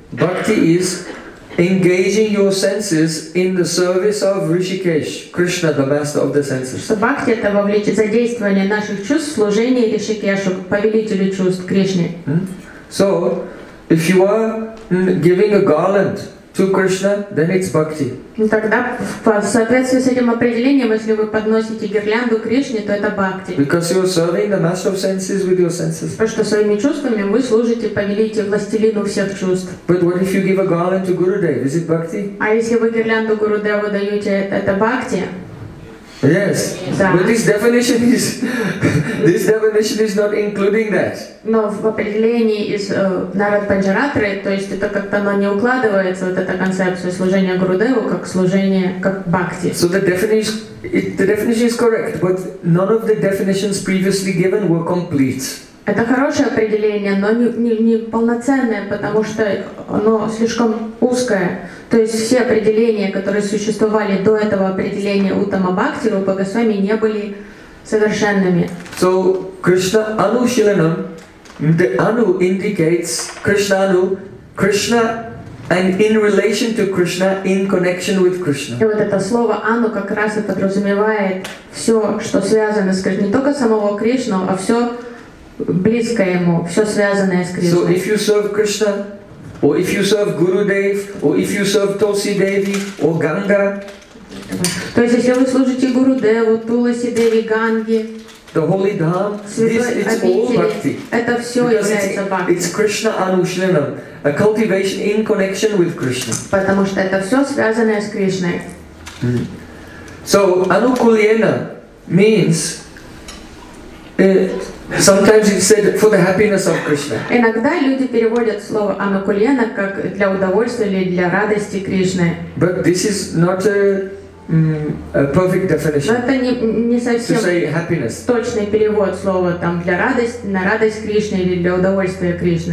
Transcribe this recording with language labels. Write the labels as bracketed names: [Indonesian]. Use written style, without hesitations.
[English] Bhakti is engaging your senses in the service of Rishikesh, Krishna, the master of the senses. [Russian] Что бхакти это вовлечение, задействование наших чувств в служение Ришикешу, повелителю чувств Кришне. [English] So, if you are giving a garland to Krishna, then it's bhakti. [Russian] Тогда в соответствии с этим определением, если вы подносите гирлянду Кришне, то это бхакти. [English] Because you are serving the master of senses with your senses. [Russian] Потому что своими чувствами вы служите повелителю, властелину всех чувств. [English] But what if you give a garland to Gurudev? Is it bhakti? [Russian] А если вы гирлянду Гурудеву даете, это бхакти? [English] Yes. [Russian] Да. [English] But this definition is not including that. [Russian] Но в определении из Нарад Панчаратры, то есть это как-то оно не укладывается, вот эта концепция служения Гурудеву как служение, как бхакти. [English] So the definition is correct, but none of the definitions previously given were complete. [Russian] Это хорошее определение, но не полноценное, потому что оно слишком узкое. То есть все определения, которые существовали до этого определения Уттама Бхакти, Рупа Госвами, не были совершенными. [English] So, Krishna Anu Shilanam, the Anu indicates Krishna Anu, Krishna and in relation to Krishna, in connection with Krishna. [Russian] И вот это слово Anu как раз и подразумевает все, что связано с Кришной, не только самого Кришну, а все близкое ему, все связанное с Кришной. [English] So if you serve Krishna, or if you serve Gurudev, or if you serve Tulsi Devi, or Ganga. [Russian] То есть если вы служите Гурудеву, Туласи Деви, Ганге, [English] the holy dham, this it's [Russian] обители, [English] all bhakti. [Russian] Это все является бхакти. [English] It's Krishna Anushilanam, a cultivation in connection with Krishna. [Russian] Потому что это все связанное с Кришной. [English] So Anukulyena means sometimes it's said for the happiness of Krishna. [Russian] Иногда люди переводят слово Анукульена как для удовольствия или для радости Кришны. [English] But this is not a perfect definition. [Russian] Но это не совсем [English] to say happiness. [Russian] Точный перевод слова там для радости, на радость Кришны или для удовольствия Кришны.